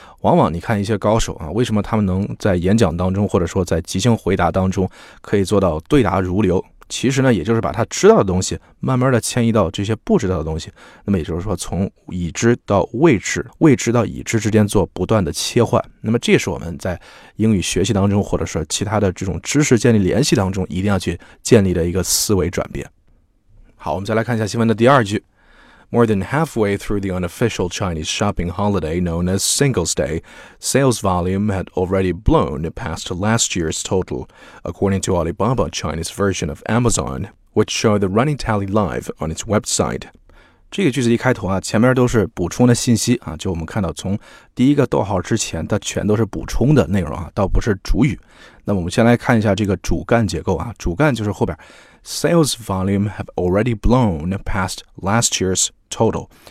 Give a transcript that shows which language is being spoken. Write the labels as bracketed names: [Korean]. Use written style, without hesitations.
[Chinese] 往往你看一些高手啊，为什么他们能在演讲当中或者说在即兴回答当中可以做到对答如流，其实呢也就是把他知道的东西慢慢的迁移到这些不知道的东西，那么也就是说从已知到未知，未知到已知之间做不断的切换，那么这是我们在英语学习当中或者说其他的这种知识建立联系当中一定要去建立的一个思维转变。好，我们再来看一下新闻的第二句。 [English] More than halfway through the unofficial Chinese shopping holiday known as Singles Day, sales volume had already blown past last year's total, according to Alibaba China's version of Amazon, which showed the running tally live on its website. [Chinese] 这个句子一开头啊，前面都是补充的信息啊，就我们看到从第一个逗号之前它全都是补充的内容啊，倒不是主语。那我们先来看一下这个主干结构啊，主干就是后边 [English] Sales volume have already blown past last year's total.